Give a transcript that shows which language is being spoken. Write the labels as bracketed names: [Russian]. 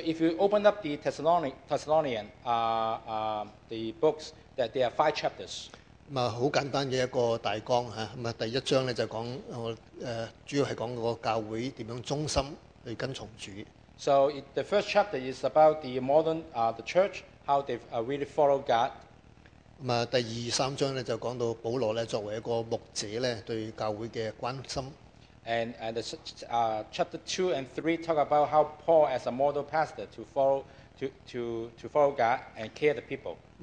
[English] if you open up the Thessalonian the books, that there are 5 chapters. [Chinese] 咁啊，好簡單嘅一個大綱嚇，咁啊第一章咧就講我主要係講個教會點樣忠心去跟從主。 [English] So the first chapter is about the modern the church, how they really follow God. [Chinese] 咁啊，第二、三章咧就講到保羅咧作為一個牧者咧對教會嘅關心。 [English] And the chapter 2 and 3 talk about how Paul as a model pastor to follow God and care the people.